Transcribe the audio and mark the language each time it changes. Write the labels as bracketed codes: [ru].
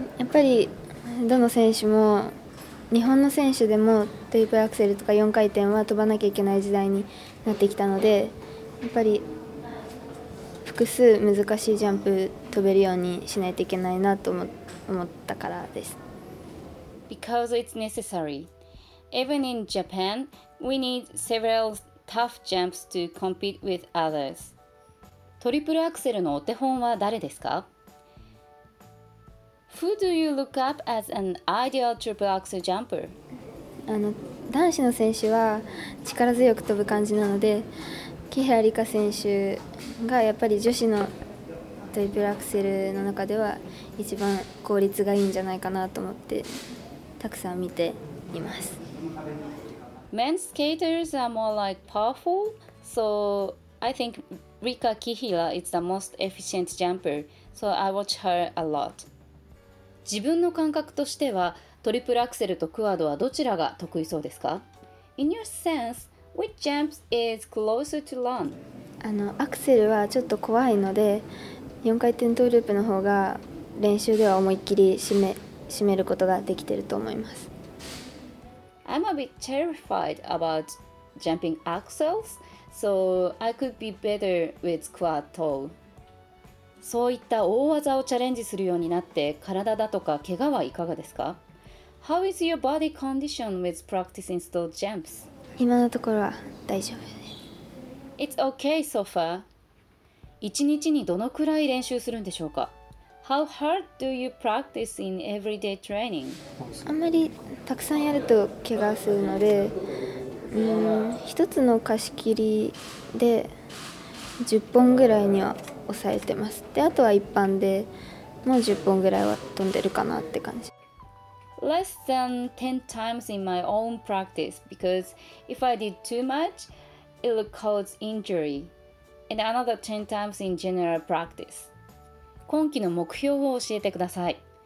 [ja] やっぱりどの選手も、日本の選手でもトリプルアクセルとか4回転は飛ばなきゃいけない時代になってきたので、やっぱり複数難しいジャンプ飛べるようにしないといけないなと思ったからです。 [en] Because it's necessary. Even in Japan, we need several tough jumps to compete with others. [ja] トリプルアクセルのお手本は誰ですか? [en] Who do you look up as an ideal triple axel jumper? [ja] 男子の選手は力強く飛ぶ感じなので、木原梨花選手がやっぱり女子のトリプルアクセルの中では一番効率がいいんじゃないかなと思ってたくさん見ています。 [en] Men skaters are more like powerful, so I think Rika Kihira is the most efficient jumper, so I watch her a lot. [ja] 自分の感覚としてはトリプルアクセルとクワードはどちらが得意そうですか? [en] In your sense, which jump is closer to learn? [ja] アクセルはちょっと怖いので、4回転トーループの方が練習では思いっきり締めることができていると思います。 [en] I'm a bit terrified about jumping axels, so I could be better with quad toe. [ja] そういった大技をチャレンジするようになって、体だとか怪我はいかがですか？ [en] How is your body condition with practicing stilt jumps? [ja] 今のところは大丈夫です。 [en] It's okay so far. [ja] 一日にどのくらい練習するんでしょうか？ [en] How hard do you practice in everyday training? [ja] あんまりたくさんやると怪我するので、一つの貸し切りで10本ぐらいには抑えてます。で、あとは一般でもう10本ぐらいは飛んでるかなって感じ。 [en] Less than 10 times in my own practice because if I did too much, it would cause injury. And another 10 times in general practice. [ja] 今期の目標を教えてください。